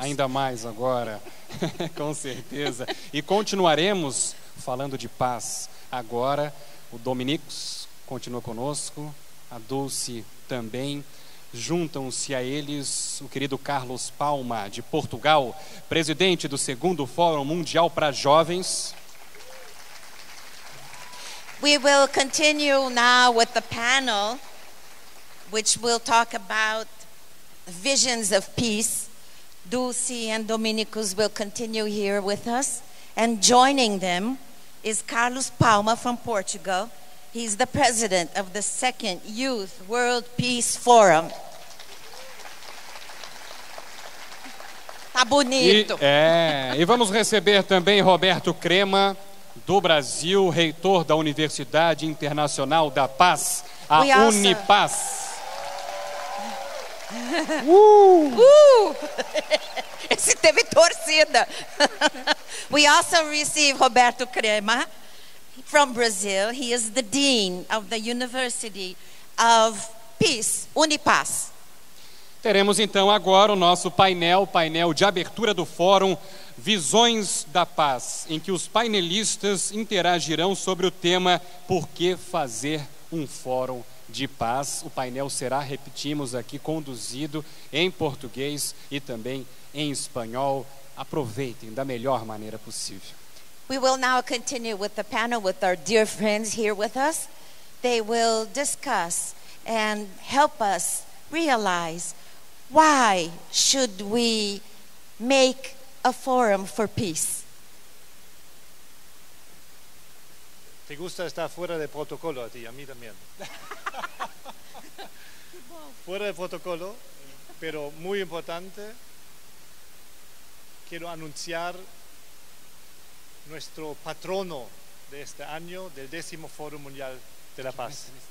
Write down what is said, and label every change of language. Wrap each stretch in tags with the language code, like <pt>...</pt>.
<pt>Ainda mais agora, com certeza. E continuaremos falando de paz agora. O Dominicus continua conosco, a Dulce também. Juntam-se a eles o querido Carlos Palma, de Portugal, presidente do 2º Fórum Mundial para Jovens.</pt> <en>We will continue now with the panel, which will talk about visions of peace. Dulce and Dominicus will continue here with us, and joining them is Carlos Palma from Portugal. He's the president of the 2nd Youth World Peace Forum.</en> <pt>Tá bonito. E vamos receber também Roberto Crema, do Brasil, reitor da Universidade Internacional da Paz, a Unipaz. Esse teve torcida.</pt> <en>We also receive Roberto Crema from Brazil. He is the dean of the University of Peace, Unipaz.</en> <pt>Teremos então agora o nosso painel de abertura do fórum Visões da Paz, em que os painelistas interagirão sobre o tema Por que fazer um fórum de paz. O painel será, repetimos aqui, conduzido em português e também em espanhol. Aproveitem da melhor maneira possível.</pt> <en>We will now continue with the panel with our dear friends here with us. They will discuss and help us realize why should we make a forum for peace.</en> <es>Te gusta estar fuera de protocolo a ti, a mí también. Fuera de protocolo, pero muy importante. Quiero anunciar nuestro patrono de este año, del 10º Foro Mundial de la Paz.</es>